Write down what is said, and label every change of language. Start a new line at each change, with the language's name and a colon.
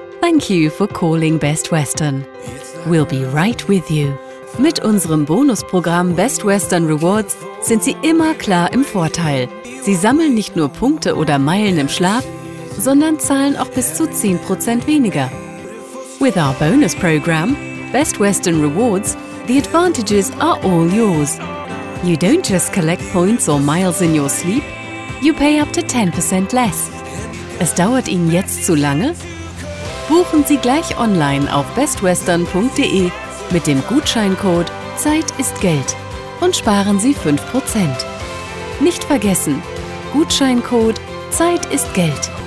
English: Thank you for calling Best Western. We'll be right with you.
German: Mit unserem Bonusprogramm Best Western Rewards sind Sie immer klar im Vorteil. Sie sammeln nicht nur Punkte oder Meilen im Schlaf, sondern zahlen auch bis zu 10% weniger.
English: With our bonus program, Best Western Rewards, the advantages are all yours. You don't just collect points or miles in your sleep, you pay up to 10% less.
German: Es dauert Ihnen jetzt zu lange? Buchen Sie gleich online auf bestwestern.de mit dem Gutscheincode Zeit ist Geld und sparen Sie 5%. Nicht vergessen, Gutscheincode Zeit ist Geld.